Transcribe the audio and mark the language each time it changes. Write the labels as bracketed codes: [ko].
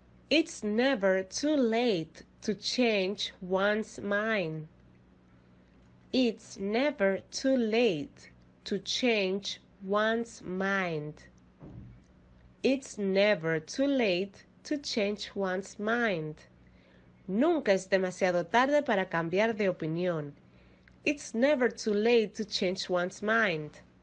[en] It's never too late to change one's mind. It's never too late to change one's mind. It's never too late to change one's mind. [es] Nunca es demasiado tarde para cambiar de opinión. [en] It's never too late to change one's mind.